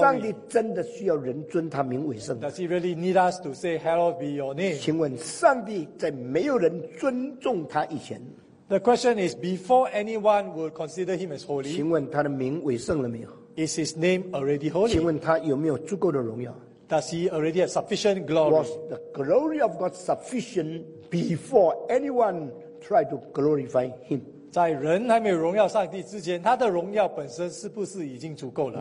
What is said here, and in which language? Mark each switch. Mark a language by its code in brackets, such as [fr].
[zh] 上帝真的需要人尊他名为圣？ [en] Does he really need us to say hallowed be your name? [zh] 请问上帝在没有人尊重他以前， [en] The question is, before anyone would consider him as holy, [zh] 请问他的名为圣了没有？ [en] Is his name already holy? [zh] 请问他有没有足够的荣耀？ [en] Does he already have sufficient glory? Was the glory of God sufficient before anyone tried to glorify him? [zh] 在人还没有荣耀上帝之前，他的荣耀本身是不是已经足够了？